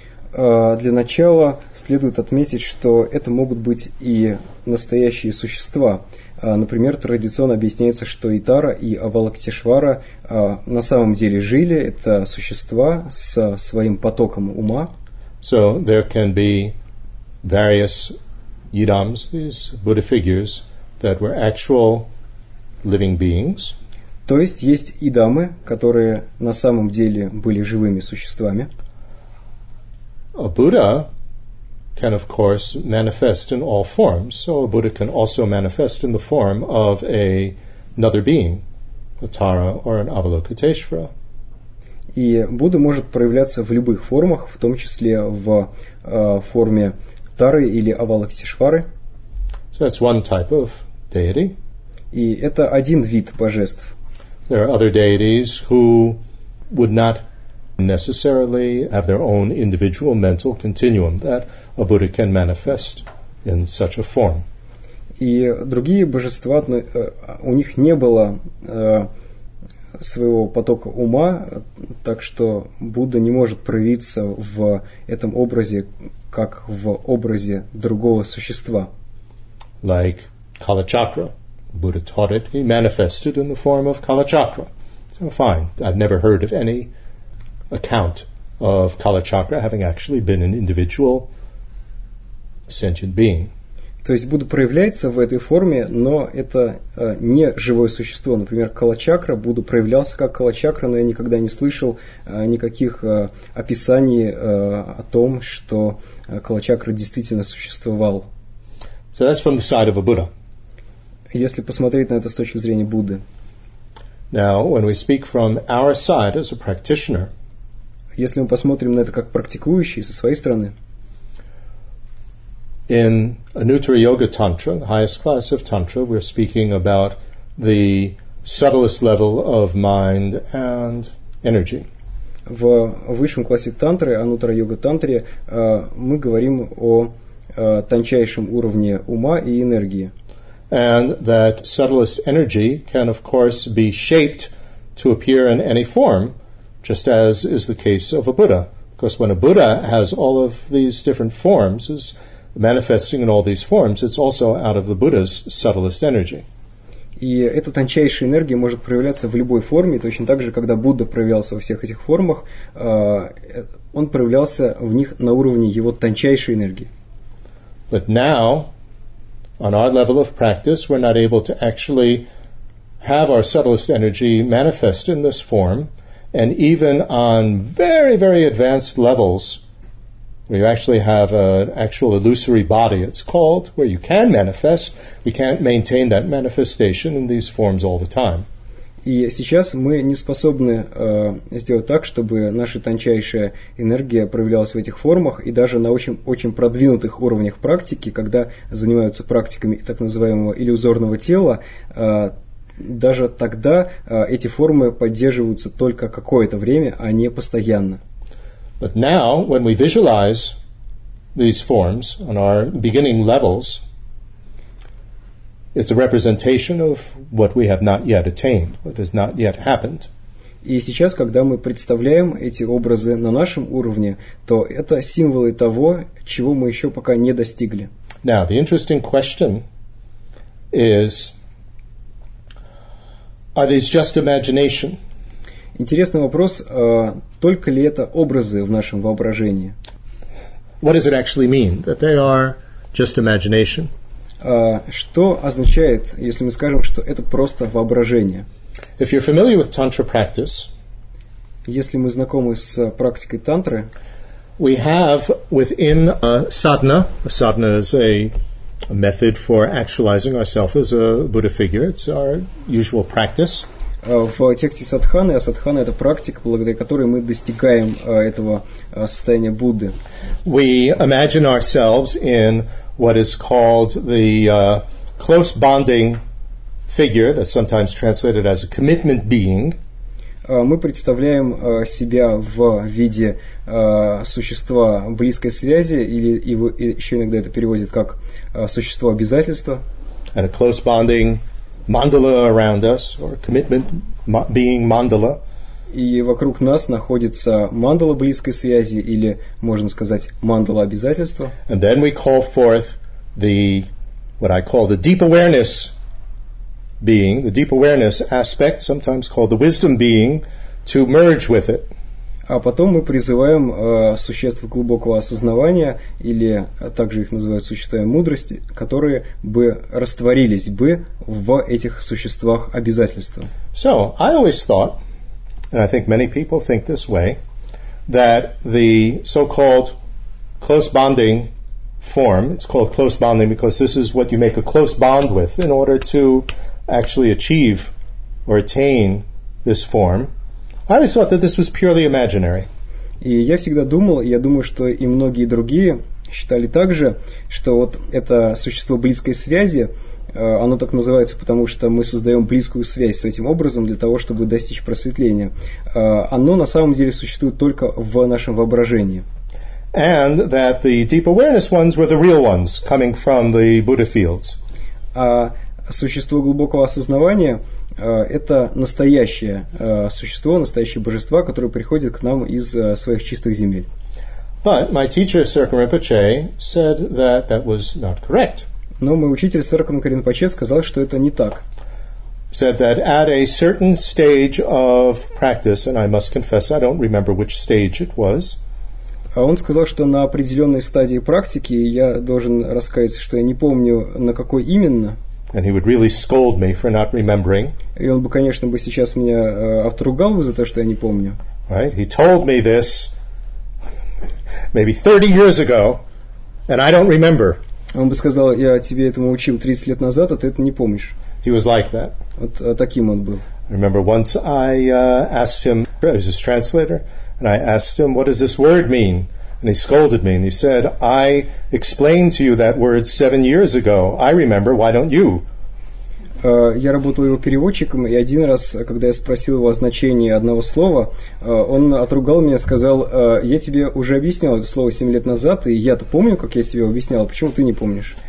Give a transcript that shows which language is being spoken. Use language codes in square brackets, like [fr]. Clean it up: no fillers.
[ru] Для начала следует отметить, что это могут быть и настоящие существа. Например, традиционно объясняется, что и Тара, и Авалокитешвара на самом деле жили, это существа с своим потоком ума. [en] So there can be various idams, these Buddha figures, that were actual living beings. [ru] То есть есть идамы, которые на самом деле были живыми существами. [en] A Buddha can, of course, manifest in all forms. So a Buddha can also manifest in the form of another being, a Tara or an Avalokiteshvara. [ru] И Будда может проявляться в любых формах, в том числе в форме Тары или Авалокитешвары. [en] So that's one type of deity. [ru] И это один вид божеств. [en] There are other deities who would not necessarily have their own individual mental continuum that a Buddha can manifest in such a form. [ru] И другие божества, у них не было своего потока ума, так что Будда не может проявиться в этом образе, как в образе другого существа. [en] Like Kalachakra. Buddha taught it, he manifested in the form of Kalachakra. So fine, I've never heard of any account of Kalachakra having actually been an individual sentient being. [ru] То есть Будда проявляется в этой форме, но это не живое существо. Например, Калачакра, Будда проявлялся как Калачакра, но я никогда не слышал никаких описаний о том, что Калачакра действительно существовал. [en] So that's from the side of a Buddha. [ru] Если посмотреть на это с точки зрения Будды. [en] Now, when we speak from our side as a practitioner, [ru] если мы посмотрим на это как практикующий со своей стороны, [en] in Anuttara Yoga Tantra, the highest class of Tantra, we're speaking about the subtlest level of mind and energy. [ru] В высшем классе Тантры, Анутра Йога Тантре, мы говорим о тончайшем уровне ума и энергии. [en] And that subtlest energy can, of course, be shaped to appear in any form, just as is the case of a Buddha. Because when a Buddha has all of these different forms, is manifesting in all these forms, it's also out of the Buddha's subtlest energy. [ru] И эта тончайшая энергия может проявляться в любой форме, точно так же, когда Будда проявлялся во всех этих формах, он проявлялся в них на уровне его тончайшей энергии. [en] But now, on our level of practice, we're not able to actually have our subtlest energy manifest in this form, and even on very, very advanced levels, where you actually have an actual illusory body, it's called, where you can manifest, we can't maintain that manifestation in these forms all the time. [ru] И сейчас мы не способны сделать так, чтобы наша тончайшая энергия проявлялась в этих формах, и даже на очень, очень продвинутых уровнях практики, когда занимаются практиками так называемого иллюзорного тела, даже тогда эти формы поддерживаются только какое-то время, а не постоянно. [en] But now, when we visualize these forms on our beginning levels, it's a representation of what we have not yet attained, what has not yet happened. [ru] И сейчас, когда мы представляем эти образы на нашем уровне, то это символы того, чего мы еще пока не достигли. [en] Now, the interesting question is, are these just imagination? [ru] Интересный вопрос, только ли это образы в нашем воображении? [en] What does it actually mean, that they are just imagination? [ru] Что означает, если мы скажем, что это просто воображение? [en] If you're familiar with tantra practice, [ru] если мы знакомы с практикой тантры, [en] we have within a sadhana is a method for actualizing ourselves as a Buddha figure, it's our usual practice. [ru] В тексте садханы, а садхана – это практика, благодаря которой мы достигаем этого состояния Будды. [en] We imagine ourselves in what is called the close bonding figure, that's sometimes translated as a commitment being. [ru] Мы представляем себя в виде существа близкой связи, или его еще иногда это переводят как существо обязательства. [en] And a close bonding mandala around us, or commitment being mandala. [ru] И вокруг нас находится мандала близкой связи, или, можно сказать, мандала обязательства. [en] And then we call forth the, what I call the deep awareness being, the deep awareness aspect, sometimes called the wisdom being, to merge with it. [ru] А потом мы призываем существ глубокого осознавания, или также их называют существами мудрости, которые бы растворились бы в этих существах обязательства. [en] So, I always thought, and I think many people think this way, that the so-called close bonding form, it's called close bonding because this is what you make a close bond with in order to actually achieve or attain this form, I always thought that this was purely imaginary. [ru] И я всегда думал, и я думаю, что и многие другие считали так же, что вот это существо близкой связи, оно так называется, потому что мы создаем близкую связь с этим образом для того, чтобы достичь просветления. Оно на самом деле существует только в нашем воображении. [en] And that the deep awareness ones were the real ones coming from the Buddha fields. [ru] А существо глубокого осознавания это настоящее существо, настоящее божество, которое приходит к нам из своих чистых земель. [en] But my teacher Серкан Ринпоче said that that was not correct. [ru] Но мой учитель Серкан Ринпоче сказал, что это не так. [en] Said that at a certain stage of practice, and I must confess, I don't remember which stage it was. [ru] Он сказал, что на определенной стадии практики, я должен раскаяться, что я не помню, на какой именно. [en] And he would really scold me for not remembering. [ru] И он бы, конечно, бы сейчас меня отругал бы за то, что я не помню. [en] Right? He told me this maybe 30 years ago, and I don't remember. [ru] Он бы сказал, я тебе этому учил 30 лет назад, а ты это не помнишь. [en] He was like that. [ru] Вот таким он был. [en] I remember once I asked him, I was his translator, and I asked him, what does this word mean? And he scolded me, and he said, I explained to you that word 7 years ago. I remember, why don't you? [ru] Я работал его переводчиком, и один раз, когда я спросил его о значении одного слова, он отругал меня, сказал, я тебе уже объяснял это слово 7 лет назад, и я-то помню, как я тебе объяснял, почему ты не помнишь?